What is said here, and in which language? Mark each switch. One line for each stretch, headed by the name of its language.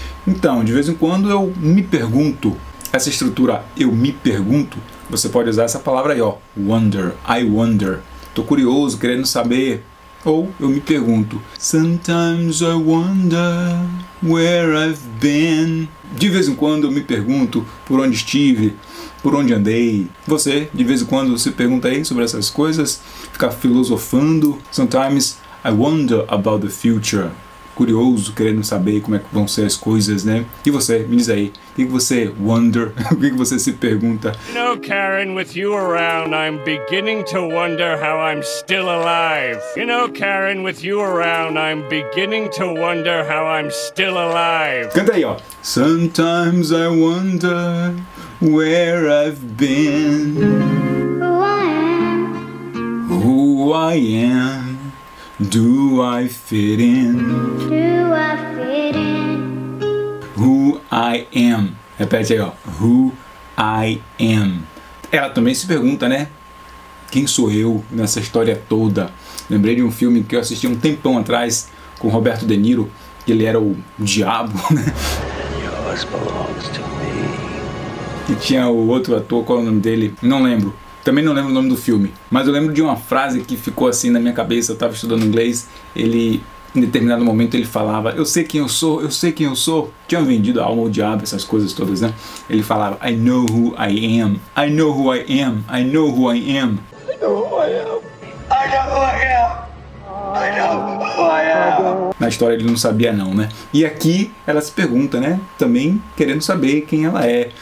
Portuguese: Então, de vez em quando eu me pergunto. Essa estrutura, eu me pergunto, você pode usar essa palavra aí, ó.
English: Wonder, I wonder.
Portuguese: Tô curioso, querendo saber. Ou eu me pergunto,
English: sometimes I wonder where I've been.
Portuguese: De vez em quando eu me pergunto por onde estive, por onde andei. Você, de vez em quando, se pergunta aí sobre essas coisas, fica filosofando.
English: Sometimes I wonder about the future.
Portuguese: Curioso, querendo saber como é que vão ser as coisas, né? E você, me diz aí, o que você wonder, o que você se pergunta?
English: No, Karen, with you around, I'm beginning to wonder how I'm still alive. You know, Karen, with you around, I'm beginning to wonder how I'm still alive.
Portuguese: Canta aí, ó.
English: Sometimes I wonder where I've been. Who I am. Who I am. Do I fit in? Do I fit in? Who I am?
Portuguese: Repete aí, ó.
English: Who I am?
Portuguese: Ela também se pergunta, né? Quem sou eu nessa história toda? Lembrei de um filme que eu assisti um tempão atrás com Roberto De Niro, que ele era o diabo, né?
English: And yours belongs to me.
Portuguese: E tinha o outro ator, qual é o nome dele? Não lembro. Também não lembro o nome do filme, mas eu lembro de uma frase que ficou assim na minha cabeça. Eu estava estudando inglês, ele, em determinado momento, ele falava, eu sei quem eu sou, eu sei quem eu sou. Tinha vendido a alma ao diabo, essas coisas todas, né?
English: Ele falava, I know who I am, I know who I am, I know who I am. I know who I am, I know who I am, I know who I am.
Portuguese: Na história ele não sabia não, né? E aqui ela se pergunta, né? Também querendo saber quem ela é.